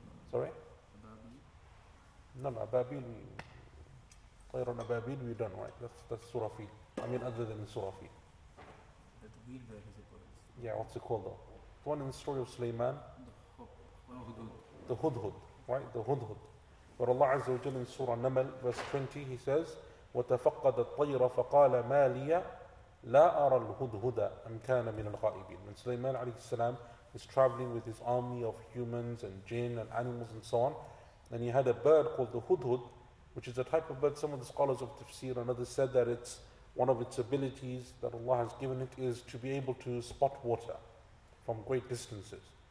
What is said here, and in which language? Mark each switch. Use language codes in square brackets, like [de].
[en] Sorry? Ababil. No, no, Ababil. We don't, right? That's Surah Fil. I mean, other than Surah Fil. The wheel bird is a bird. Yeah, what's it called though? The one in the story of Sulaiman? The Hudhud. Right? The Hudhud. But Allah Azza wa Jalla in Surah Namal, verse 20, He says, [ar] وَتَفَقَّدَ الطَّيْرَ فَقَالَ مَا لِيَ لَا أَرَى الْهُدْهُدَ أَمْ كَانَ مِنَ الْغَائِبِينَ. [en] When Sulaiman alayhi salam is traveling with his army of humans and jinn and animals and so on. Then he had a bird called the Hudhud, which is a type of bird. Some of the scholars of Tafsir and others said that it's one of its abilities that Allah has given it is to be able to spot water from great distances.